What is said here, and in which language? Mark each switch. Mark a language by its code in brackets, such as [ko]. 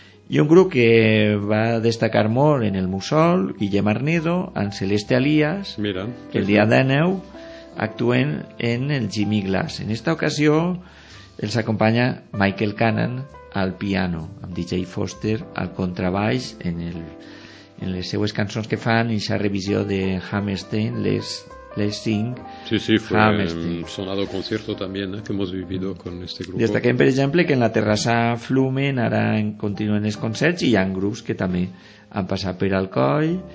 [ca] I un grup que va destacar molt en el Musol, Guillem Arnedo, en Celeste Alías, el dia 19 actuen en el Jimmy Glass. En esta ocasió els acompanya Michael Cannon al piano, amb DJ Foster al contrabaix, en les seues cançons que fan, en sa revisió de Hammerstein, Lessing. [es] Sí, fue Hammerstein. Sonado concierto también, que hemos vivido con este grupo. [ca] Destaquem, per exemple, que en la terrassa Flumen ara continuen els concerts i hi ha grups que també han passat per Alcoi.